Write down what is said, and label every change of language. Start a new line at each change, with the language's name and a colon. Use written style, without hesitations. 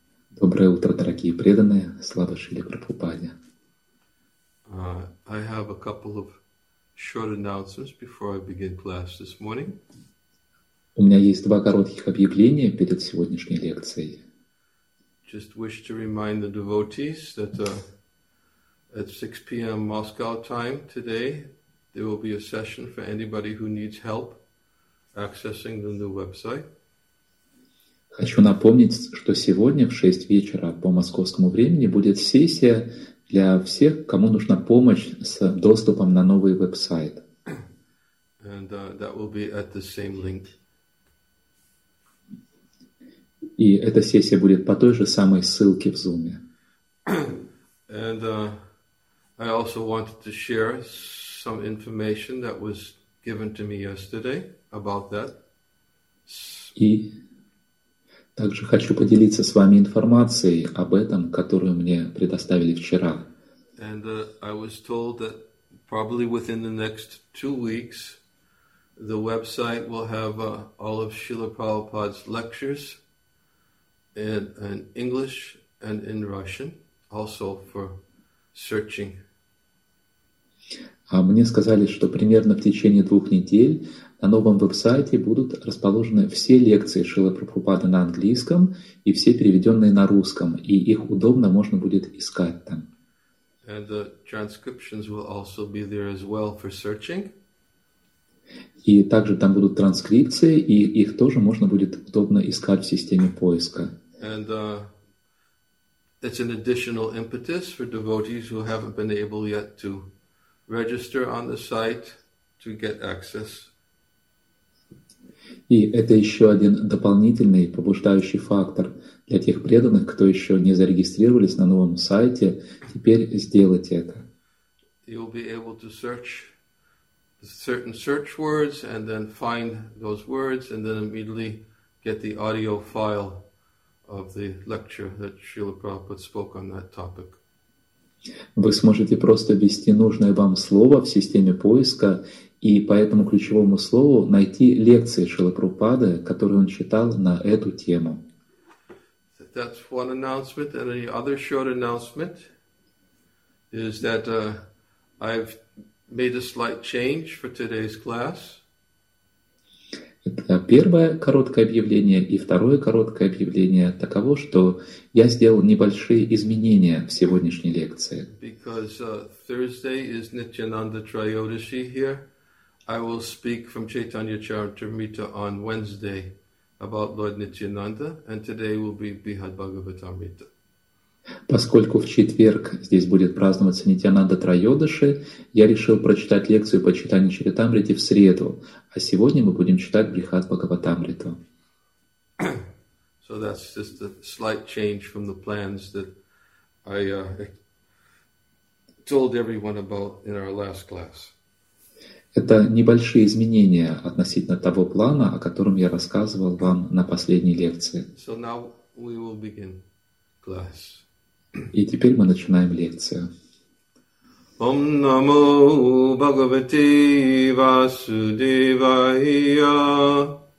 Russian: Доброе утро, дорогие преданные. Слава Шриле Прабхупаде.
English: I have a couple of short announcements before I begin class this morning.
Russian: У меня есть два коротких объявления перед сегодняшней лекцией.
English: Just wish to remind the devotees that at 6 p.m. Moscow time today, there will be a session for anybody who needs help accessing the new website.
Russian: Хочу напомнить, что сегодня в 6 вечера по московскому времени будет сессия для всех, кому нужна помощь с доступом на новый веб-сайт.
English: And that will be at the same link.
Russian: И эта сессия будет по той же самой ссылке в Zoom.
English: And I also wanted to share some information that was given to me yesterday about that.
Russian: И также хочу поделиться с вами информацией об этом, которую мне предоставили вчера.
English: And I was told that probably within the next 2 weeks, the website will have all of Srila Prabhupada's lectures in English and in Russian, also for searching.
Russian: А мне сказали, что примерно в течение 2 недель на новом веб-сайте будут расположены все лекции Шрилы Прабхупады на английском и все переведенные на русском, и их удобно можно будет искать там.
English: And the transcriptions will also be there as well for searching.
Russian: И также там будут транскрипции, и их тоже можно будет удобно искать в системе поиска.
English: And it's an additional impetus for devotees who haven't been able yet to register on the site to get access.
Russian: И это еще один дополнительный побуждающий фактор для тех преданных, кто еще не зарегистрировались на новом сайте, теперь сделать это.
English: You'll be able to search certain search words and then find those words and then immediately get the audio file of the lecture that Srila Prabhupada spoke on that topic.
Russian: Вы сможете просто ввести нужное вам слово в системе поиска и по этому ключевому слову найти лекции Шрилы Прабхупады, которые он читал на эту тему.
English: That's one announcement. And the other short announcement is that I've made a slight change for today's class.
Russian: Это первое короткое объявление, и второе короткое объявление таково, что я сделал небольшие изменения в сегодняшней лекции.
English: Because Thursday is Nityananda Trayodashi here, I will speak from Chaitanya Charitamrita on Wednesday about Lord Nityananda, and today will be Bihad Bhagavatamrita.
Russian: Поскольку в четверг здесь будет праздноваться Нитьянанда Трайодаши, я решил прочитать лекцию по читанию Чаритамриты в среду, а сегодня мы будем читать Брихат Бхагаватамриту.
English: So that's just a slight change from the plans that I told everyone about in our last class.
Russian: Это небольшие изменения относительно того плана, о котором я рассказывал вам на последней лекции.
English: So now we will begin class.
Russian: И теперь мы начинаем лекцию.
Sanskrit: Ом намо Бхагавате Васудевая.